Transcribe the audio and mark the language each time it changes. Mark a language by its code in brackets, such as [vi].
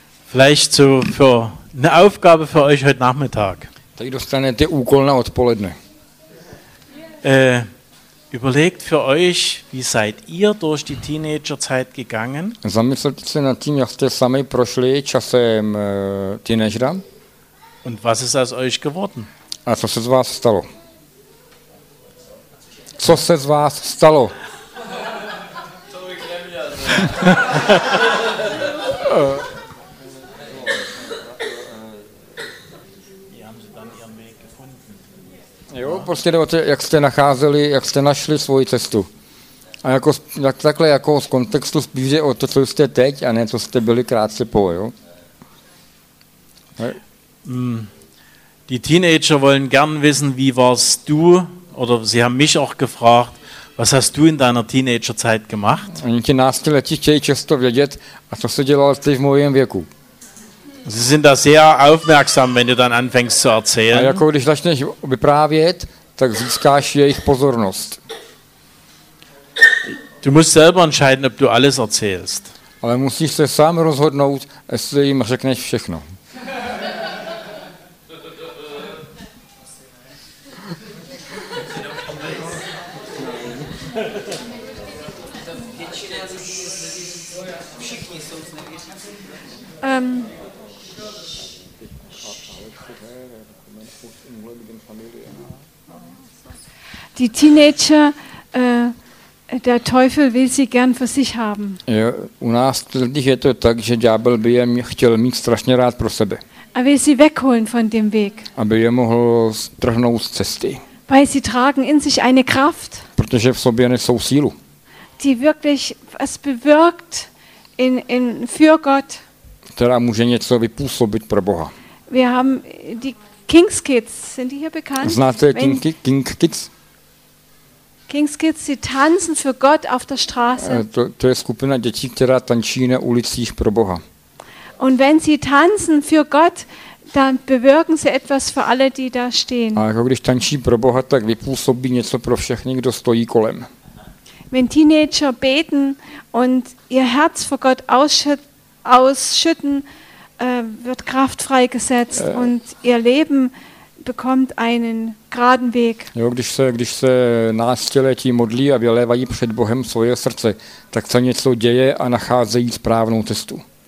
[de] Vielleicht so für eine Aufgabe für euch heute Nachmittag. [cs] Tak dostanete úkol na odpoledne. [de] Überlegt für euch, wie seid ihr durch die Teenagerzeit gegangen? [cs] Zamyslete se nad tím, jak jste sami prošli časem teenagera. [de] Und was ist aus euch geworden? [cs] A co se z vás stalo? Co se z vás stalo? Jo, prostě jde o to, jak jste nacházeli, jak jste našli svoji cestu. A jako, jak takhle jako z kontextu spíš o to, co jste teď, a ne co jste byli krátce po, jo? [de] Die Teenager wollen gern wissen, wie warst du, oder sie haben mich auch gefragt, was hast du in deiner Teenagerzeit gemacht? [cs] Oni ti náctiletí chtějí často vědět, a co se dělal ty v mojem věku. [de] Sie sind da sehr aufmerksam, wenn du dann anfängst zu erzählen. [cs] A jako když začneš vyprávět, tak získáš jejich pozornost. [de] Du musst selber entscheiden, ob du alles erzählst. [cs] Ale musíš se sám rozhodnout, jestli jim řekneš všechno. [de] Die Teenager, der Teufel will sie gern für sich haben. [cs] Jo, u nás je to tak, že ďábel by je chtěl mít strašně rád pro sebe. [de] A will sie wegholen von dem Weg. [cs] Aby je mohl strhnout z cesty. [de] Weil sie tragen in sich eine Kraft. [cs] Protože v sobě nesou sílu. [de] Die wirklich was bewirkt in für Gott. [cs] Která může něco vypůsobit pro Boha. [de] Wir haben die King's Kids, sind die hier bekannt? [cs] Znáte King's Kids? [de] King's Kids, sie tanzen für Gott auf der Straße. [cs] To je skupina dětí, která tančí na ulicích pro Boha. [de] Und wenn sie tanzen für Gott, dann bewirken sie etwas für alle, die da stehen. [cs] A jako když tančí pro Boha, tak vypůsobí něco pro všechny, kdo stojí kolem. [de] Wenn Teenager beten und ihr Herz vor Gott ausschütten, wird Kraft freigesetzt und ihr Leben bekommt einen geraden Weg. [cs] Jo, když se náctiletí modlí a vylévají před Bohem svoje srdce, tak se něco děje a nacházejí správnou cestu.